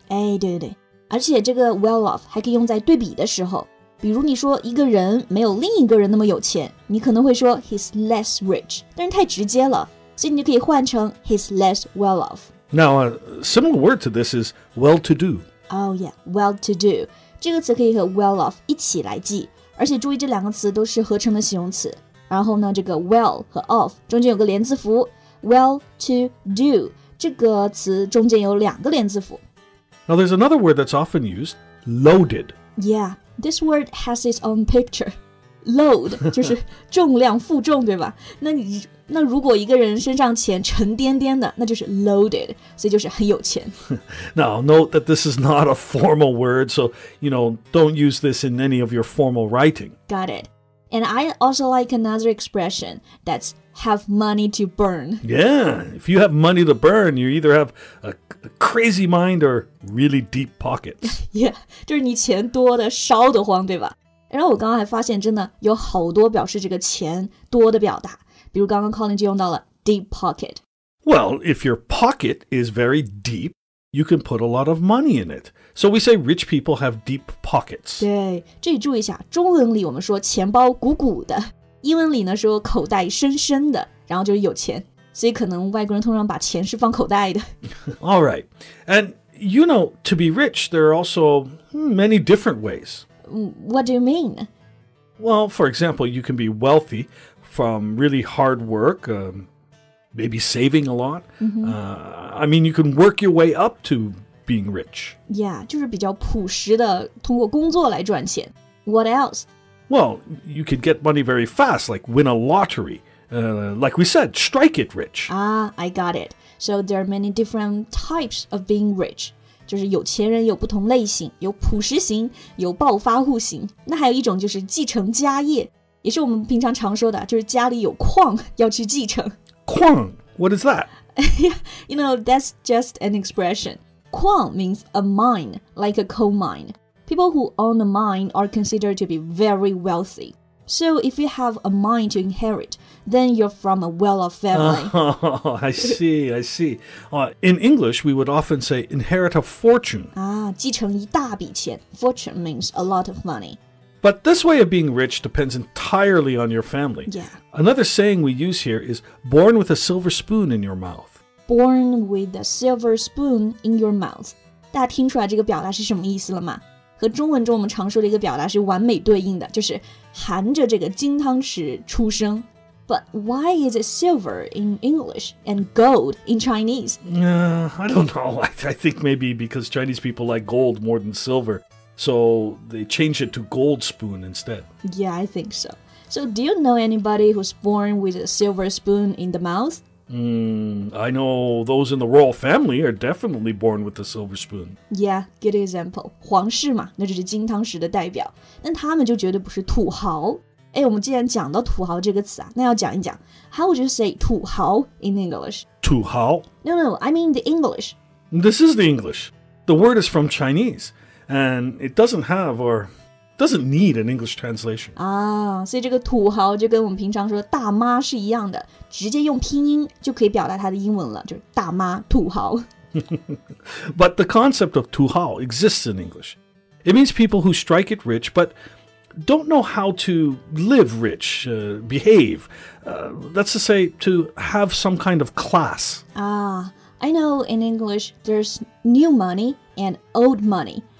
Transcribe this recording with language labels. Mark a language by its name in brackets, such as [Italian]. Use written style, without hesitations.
[Chinese] 哎，对对对。而且这个 well-off 还可以用在对比的时候。比如你说一个人没有另一个人那么有钱，你可能会说 [English] he's less rich, [Chinese] 但是太直接了。所以你就可以换成 [English] he's less well-off. Now, a similar word to this is well-to-do. Oh yeah, well-to-do. [Chinese] 这个词可以和 well-off 一起来记。而且注意这两个词都是合成的形容词。然后呢这个 well 和 off 中间有个连字符 well to do 这个词中间有两个连字符。 [English] Now there's another word that's often used, loaded. Yeah, this word has its own picture. [Chinese] Load 就是重量负重对吧那如果一个人身上钱沉甸甸的那就是 loaded, 所以就是很有钱。 [English] Now, note that this is not a formal word, so, you know, don't use this in any of your formal writing. Got it. And I also like another expression, that's have money to burn. Yeah, if you have money to burn, you either have a crazy mind or really deep pockets. [Chinese] Yeah, 就是你钱多的烧得慌对吧然后我刚刚还发现真的有好多表示这个钱多的表达。比如刚刚 Colin 就用到了 deep pocket. [English] Well, if your pocket is very deep, you can put a lot of money in it. So we say rich people have deep pockets. [Chinese] 对，这里注意一下，中文里我们说钱包鼓鼓的，英文里呢说口袋深深的，然后就是有钱。所以可能外国人通常把钱是放口袋的。 [English] All right. And you know, to be rich, there are also many different ways. What do you mean? Well, for example, you can be wealthy,From really hard work, maybe saving a lot. Mm-hmm. I mean, you can work your way up to being rich. [Chinese] Yeah, 就是比较朴实的，通过工作来赚钱。 [English] What else? Well, you can get money very fast, like win a lottery. Like we said, strike it rich. Ah, I got it. So there are many different types of being rich. [Chinese] 就是有钱人有不同类型，有朴实型，有暴发户型。那还有一种就是继承家业，也是我们平常常说的，就是家里有矿要去继承。 [English] 矿?What is that? You know, that's just an expression. 矿 means a mine, like a coal mine. People who own a mine are considered to be very wealthy. So if you have a mine to inherit, then you're from a well-off family. I see. In English, we would often say inherit a fortune. [Chinese] 继承一大笔钱。 [English] Fortune means a lot of money. But this way of being rich depends entirely on your family. Yeah. Another saying we use here is born with a silver spoon in your mouth. Born with a silver spoon in your mouth. [Chinese] 大家听出来这个表达是什么意思了吗？和中文中我们常说的一个表达是完美对应的，就是含着这个金汤匙出生。 [English] But why is it silver in English and gold in Chinese? I don't know. I think maybe because Chinese people like gold more than silver. So they change it to gold spoon instead. Yeah, I think so. So do you know anybody who's born with a silver spoon in the mouth? I know those in the royal family are definitely born with a silver spoon. Yeah, good example. [Chinese] 皇室嘛，那就是金汤匙的代表。那他们就绝对不是土豪。哎，我们既然讲到土豪这个词啊，那要讲一讲。 [English] How would you say 土豪 in English? [Chinese] 土豪? [English] No, I mean the English. This is the English. The word is from Chinese. And it doesn't have or doesn't need an English translation. [Chinese] 所以这个土豪就跟我们平常说的大妈是一样的，直接用拼音就可以表达它的英文了，就是大妈土豪。 [English] But the concept of 土豪 exists in English. It means people who strike it rich, but don't know how to live rich, behave. That's to say, to have some kind of class. I know in English there's new money and old money.